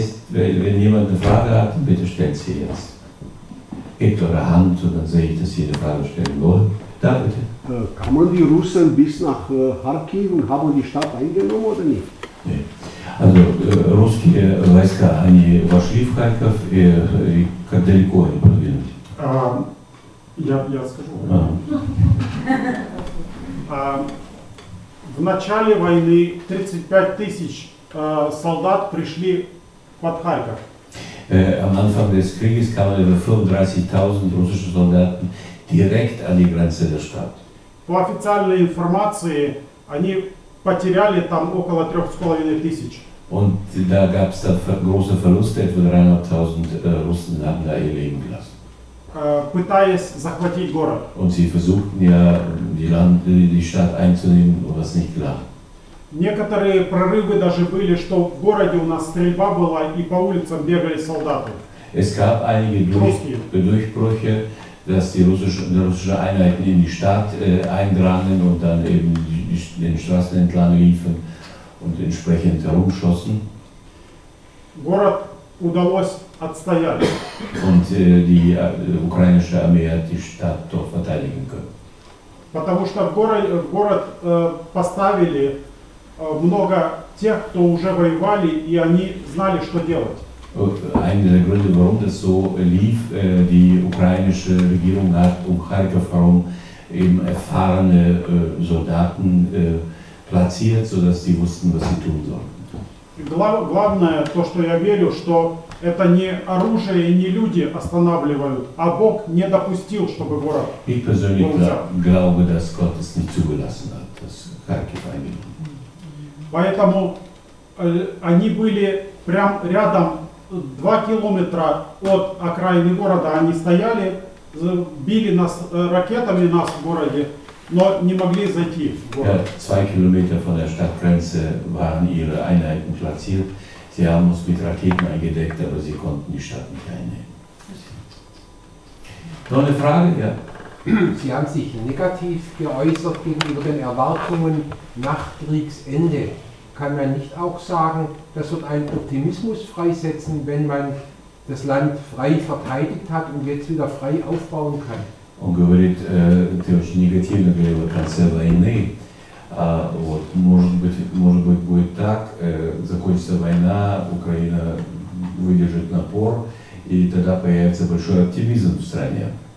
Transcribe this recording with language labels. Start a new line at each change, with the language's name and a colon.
German: Wenn jemand eine Frage hat, bitte stellt sie jetzt. Gebt eure Hand und dann sehe ich, dass Sie eine Frage stellen wollen. Da bitte. Kann man die Russen bis nach Kharkiv und haben die Stadt eingenommen oder nicht? Nee. Also russische
Russian: войска, они вошли в Харьков и как далеко они продвинулись? Я скажу. В начале войны 35 тысяч солдат пришли под Харьков.
German: Am Anfang des Krieges kamen über 35.000 russische Soldaten direkt an die Grenze der Stadt.
Russian: По официальной информации они потеряли там около 3.500.
German: Und da gab es dann große Verluste, etwa 300.000 Russen haben da ihr Leben gelassen.
Russian: Пытаясь захватить город.
German: Und sie versuchten ja die Stadt einzunehmen, was nicht gelang.
Russian: Некоторые прорывы даже были, что в городе у нас стрельба была и по улицам бегали солдаты.
German: Es gab einige Durchbrüche, dass die russische Einheiten in die Stadt eindrangen und dann eben den Straßen entlang liefen und entsprechend herumschossen.
Russian: Город удалось отстоять.
German: Und die ukrainische Armee hat die Stadt dort verteidigen können.
Russian: Потому что город поставили много тех, кто уже воевали, и они знали, что делать.
German: Ein der Gründe, warum das so lief, die ukrainische Regierung hat um Kharkiv herum eben erfahrene Soldaten platziert, sodass sie wussten, was sie tun sollten.
Russian: Главное, то, что я верю, что это не оружие и не люди останавливают, а Бог не допустил, чтобы город был взят.
German: Ich persönlich glaube, dass Gott es nicht zugelassen hat, dass Kharkiv eingenommen hat.
Russian: Поэтому они были прям рядом, 2 километра от окраины города они стояли, били нас ракетами нас в городе, но не могли зайти в город. 2 километра от городской границы были их
German: Einheiten platziert. Sie haben uns mit Raketen eingedeckt, aber sie konnten die Stadt nicht einnehmen. Noch eine Frage? Ja. Sie haben sich negativ geäußert gegenüber den Erwartungen nach Kriegsende. Kann man nicht auch sagen, das wird einen Optimismus freisetzen, wenn man das Land frei verteidigt hat und jetzt wieder frei aufbauen kann?
Russian: Он говорит, ты очень негативно говорил о конце войны. Вот, может быть будет так, закончится война, Украина выдержит напор, и тогда появится большой оптимизм в стране.